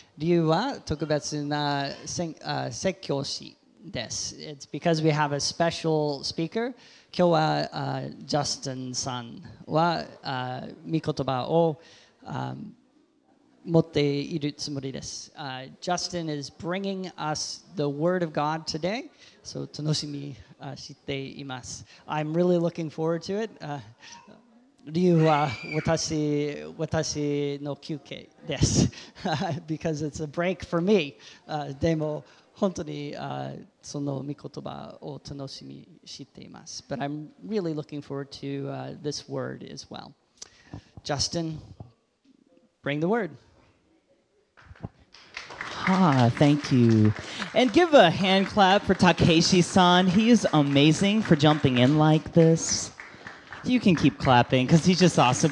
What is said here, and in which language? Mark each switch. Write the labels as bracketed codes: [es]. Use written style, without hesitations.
[ja] 理由は特別な説教師です。 [en] It's because we have a special speaker. [ja] 今日は、ジャスティンさんは、御言葉を、持っているつもりです。 [en] Justin is bringing us the Word of God today. [ja] So, 楽しみ、しています。 [en] I'm really looking forward to it. [ja] 理由は私の休憩です。 [en] Because it's a break for me. [ja] でも、本当に、その御言葉を楽しみしています。 [en] But I'm really looking forward to this Word as well. Justin, bring the Word. Thank you. And give a hand clap for Takeshi-san. He is amazing for jumping in like this. You can keep clapping because he's just awesome.